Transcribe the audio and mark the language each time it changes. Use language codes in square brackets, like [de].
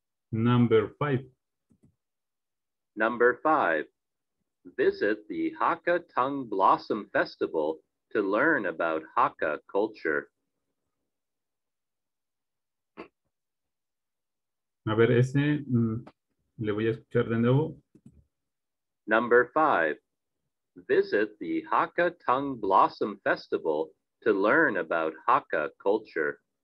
[en] Number five. Visit the Hakka Tongue Blossom Festival to learn about Hakka culture. [es] A ver, ese le voy a escuchar de nuevo. [en] Number 5. Visit the Hakka Tongue Blossom Festival to learn about Hakka culture.